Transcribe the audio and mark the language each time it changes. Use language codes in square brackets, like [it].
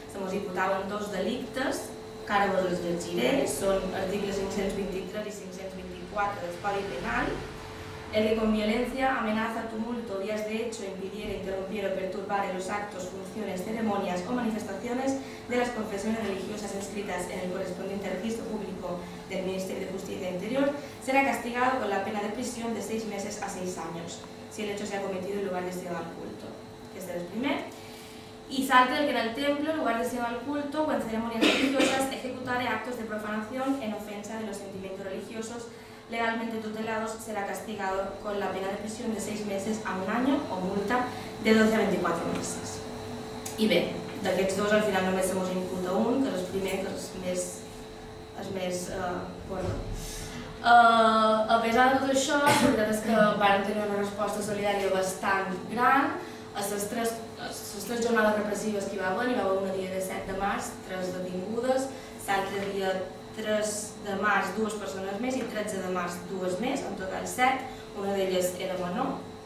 [ca] Se mos imputaven dos delictes, que ara vos els llegiré, són articles 523 i 524 del Codi Penal. [es] El que con violencia, amenaza, tumulto, días de hecho, impidiera, interrumpiera o perturbara los actos, funciones, ceremonias o manifestaciones de las confesiones religiosas inscritas en el correspondiente registro público del Ministerio de Justicia Interior, será castigado con la pena de prisión de 6 meses a 6 años, si el hecho se ha cometido en lugar destinado al culto, que es el primer. Y salte el que en el templo, en lugar destinado al culto o en ceremonias religiosas, ejecutare actos de profanación en ofensa de los sentimientos religiosos legalmente tutelados, será castigado con la pena de prisión de 6 meses a 1 año o multa de 12 a 24 meses. [ca] Y bé, d'aquests dos al final només se mos imputa un, que és el primer, que és més bueno. A pesar de tot això, la veritat és que van tenir una resposta solidària bastant gran. A les tres jornades repressives que hi va haver, hi va haver una dia de 7 de març, 3 detingudes, l'altre dia 3 de març 2 persones més i 13 de març 2 més, en total 7, una d'elles era menor.